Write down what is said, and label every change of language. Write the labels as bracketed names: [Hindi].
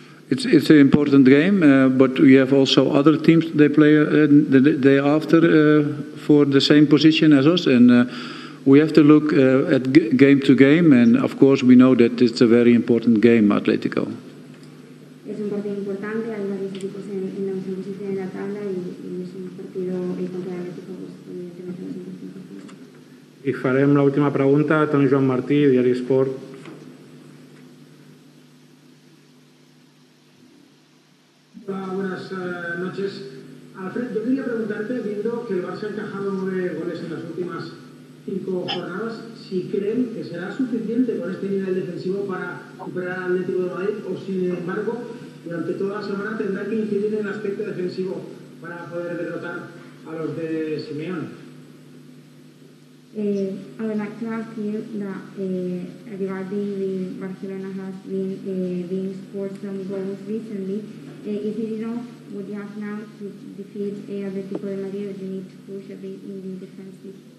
[English] It's an important game, but we have also other teams they play the day after for the same position as us. And we have to look at game to game, and of course we know that it's a very important game, Atletico. [Spanish] Es un partido importante, hay varios equipos en la misma posición de la tabla y es un partido contra Atletico, evidentemente. [Catalan] I farem la última pregunta, Toni Joan Martí, Diari Esport. [Spanish] Hola, buenas noches. Alfred, yo quería preguntarte, viendo que el Barça ha encajado 9 goles en las últimas 5 jornadas, si creen que será suficiente con este nivel defensivo para superar al Atlético de Madrid o sin embargo durante toda la semana tendrá que incidir en el aspecto defensivo para poder derrotar a los de Simeone. [English] I would like to ask you that regarding the Barcelona has been being scored some goals recently. Is it enough what you have now to defeat Atlético de Madrid or do you need to push a bit in the defensive?